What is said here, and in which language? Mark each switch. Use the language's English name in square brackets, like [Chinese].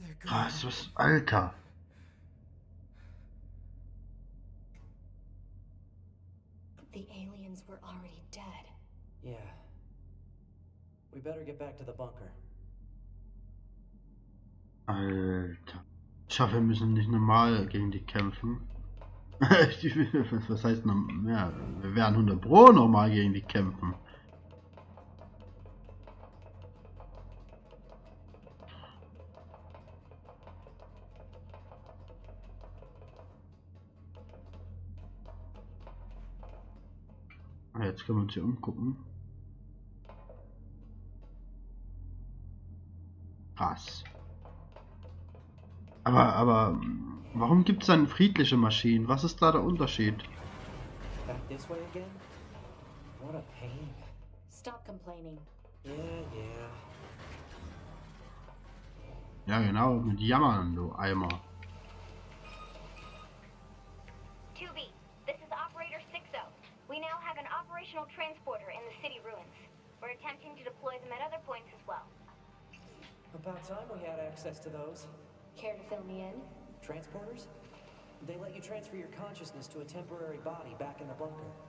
[German] Was ist, Alter? [English] The aliens were already dead. Yeah. We better get back to the bunker. [German] Alter. Ich hoffe, wir müssen nicht normal gegen die kämpfen. Was heißt normal? Ja, wir werden 100 Pro normal gegen die kämpfen. Jetzt können wir uns hier umgucken. Krass. Aber warum gibt es dann friedliche Maschinen? Was ist da der Unterschied? [English] Back this way again? What a pain. Stop complaining. Yeah, yeah. [German] Ja, genau, mit Jammern, du Eimer. [English] 2B, this is Operator 6-0. We now have an operational transporter in the city ruins. We're attempting to deploy them at other points as well. About time we had access to those. Care to fill me in? Transporters? They let you transfer your consciousness to a temporary body back in the bunker.